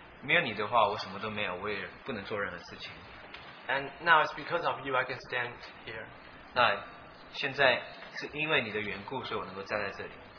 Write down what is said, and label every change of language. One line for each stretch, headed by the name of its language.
Chinese: 没有你的话，我什么都没有，我也不能做任何事情。
English: And now it's because of you I can stand here.
Chinese: 那现在是因为你的缘故，所以我能够站在这里。